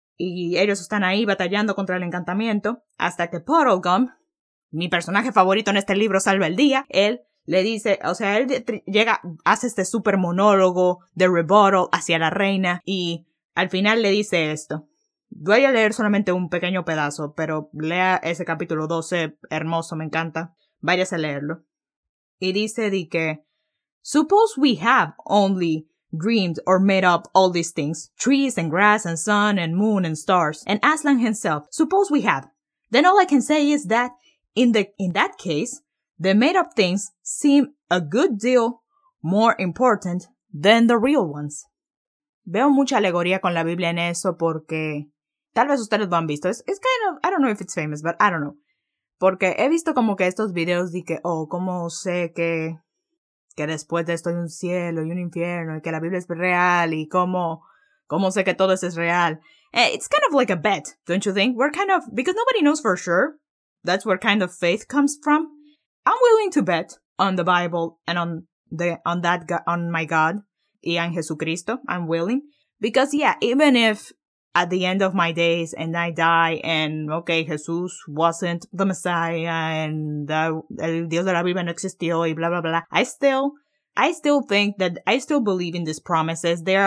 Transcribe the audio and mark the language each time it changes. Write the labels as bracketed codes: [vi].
[es] y ellos están ahí batallando contra el encantamiento, hasta que Puddlegum, mi personaje favorito en este libro, salva el día. Él le dice, o sea, él llega, hace este super monólogo de rebuttal hacia la reina y al final le dice esto. Voy a leer solamente un pequeño pedazo, pero lea ese capítulo 12, hermoso, me encanta. Váyase a leerlo. Y dice de que, [en] suppose we have only dreamed or made up all these things, trees and grass and sun and moon and stars, and Aslan himself, suppose we have, then all I can say is that in that case, the made up things seem a good deal more important than the real ones. [es] Veo mucha alegoría con la Biblia en eso porque tal vez ustedes lo han visto. [en] It's kind of, I don't know if it's famous, but I don't know. [es] Porque he visto como que estos videos de que, oh, cómo sé que después de esto hay un cielo y un infierno y que la Biblia es real y cómo sé que todo eso es real. [en] It's kind of like a bet, don't you think? We're kind of, because nobody knows for sure. That's where kind of faith comes from. I'm willing to bet on the Bible and on my God [es] y en Jesucristo. [en] I'm willing. Because, yeah, even if at the end of my days and I die and, okay, Jesús wasn't the Messiah and [es] el Dios de la Biblia no existió [en] y blah, blah, blah, I still believe in these promises.